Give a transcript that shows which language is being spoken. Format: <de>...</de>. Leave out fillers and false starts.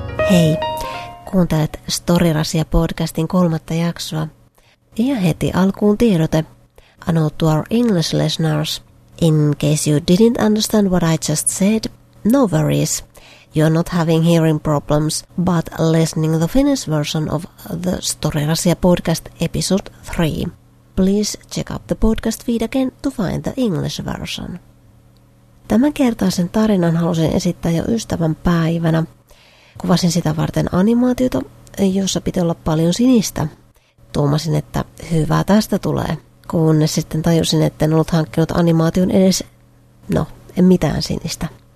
<fi>Hei, kuuntelet Storirasia-podcastin kolmatta jaksoa. Ja heti alkuun tiedote.</fi> <en>A note to our English listeners. In case you didn't understand what I just said, no worries. You are not having hearing problems, but listening the Finnish version of the Storirasia podcast episode 3. Please check out the podcast feed again to find the English version.</en> <fi>Tämänkertaisen tarinan halusin esittää jo ystävän päivänä. Kuvasin sitä varten animaatiota, jossa piti olla paljon sinistä. Tuumasin, että hyvää tästä tulee, kunnes sitten tajusin, että en ollut hankkinut animaation edes, no, en mitään sinistä.</fi>